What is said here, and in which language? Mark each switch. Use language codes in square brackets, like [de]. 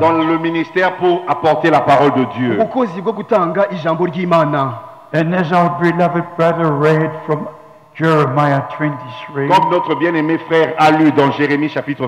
[fr] Dans le ministère pour apporter la parole de Dieu. [en] And as our beloved brother read from Jeremiah 23, [fr] comme notre bien-aimé frère a lu dans Jérémie chapitre